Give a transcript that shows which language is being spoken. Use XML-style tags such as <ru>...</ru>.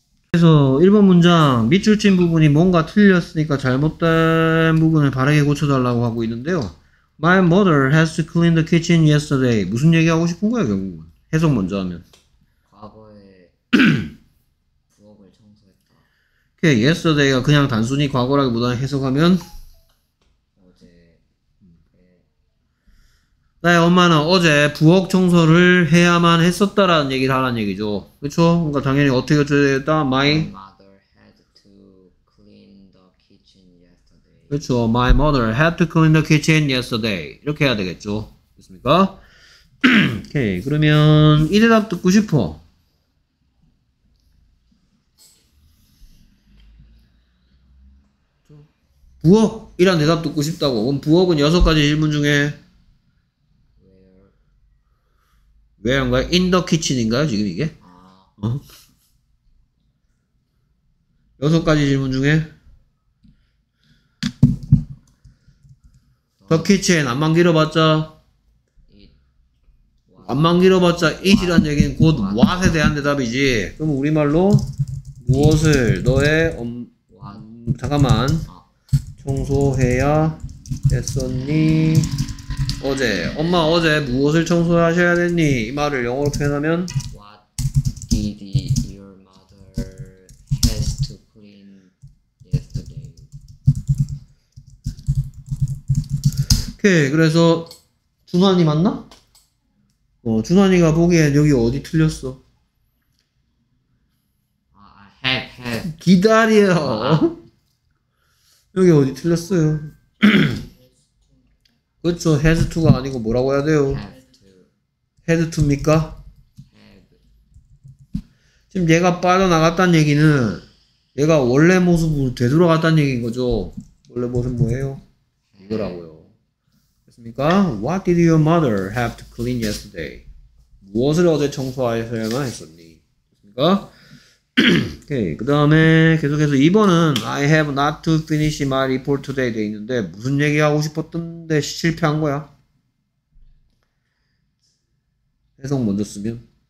<ko>그래서 1번 문장 밑줄 친 부분이 뭔가 틀렸으니까 잘못된 부분을 바르게 고쳐달라고 하고 있는데요.</ko> <en>My mother has to clean the kitchen yesterday.</en> <ko>무슨 얘기하고 싶은 거야 결국은? 해석 먼저 하면 과거에 부엌을 청소했다. Yesterday가 그냥 단순히 과거라기보다는 해석하면 어제 나의 엄마는 어제 부엌 청소를 해야만 했었다라는 얘기를 하라는 얘기죠. 그쵸? 그러니까 당연히 어떻게 어쩌야 되겠다?</ko> <en>My mother had to clean the kitchen yesterday.</en> <ko>그쵸.</ko> <en>My mother had to clean the kitchen yesterday.</en> <ko>이렇게 해야 되겠죠. 됐습니까? 오케이. 그러면 이 대답 듣고 싶어. 부엌! 이란 대답 듣고 싶다고. 그럼 부엌은 여섯 가지 질문 중에 Where인가요?</ko> <en>In the kitchen</en> <ko>인가요? 지금 이게? 아. 어? 여섯 가지 질문 중에 The kitchen 안만 길어봤자 안만 길어봤자 it이란 얘기는 곧 what에 대한 대답이지. 그럼 우리말로 무엇을 너의 잠깐만 청소해야 했었니? 어제 엄마 어제 무엇을 청소하셔야 했니? 이 말을 영어로 표현하면</ko> <en>What did your mother has to clean yesterday?</en> <ko>오케이. 그래서 준환이 맞나? 어, 준환이가 보기엔 여기 어디 틀렸어? 아, have. 기다려. 여기 어디 틀렸어요? 그쵸, has to가 아니고 뭐라고 해야 돼요?</ko> <en>Have to. Had to입니까? Have.</en> <ko>지금 얘가 빠져나갔다는 얘기는 얘가 원래 모습으로 되돌아갔다는 얘기인 거죠. 원래 모습 뭐예요? 이거라고요. 됐습니까?</ko> <en>What did your mother have to clean yesterday?</en> <ko>무엇을 어제 청소하셔야만 했었니? 됐습니까? 오케이. 그 다음에 계속해서 2번은</ko> <en>I have not to finish my report today</en> <ko>돼 있는데 무슨 얘기하고 싶었던데 실패한 거야. 해석 먼저 쓰면</ko>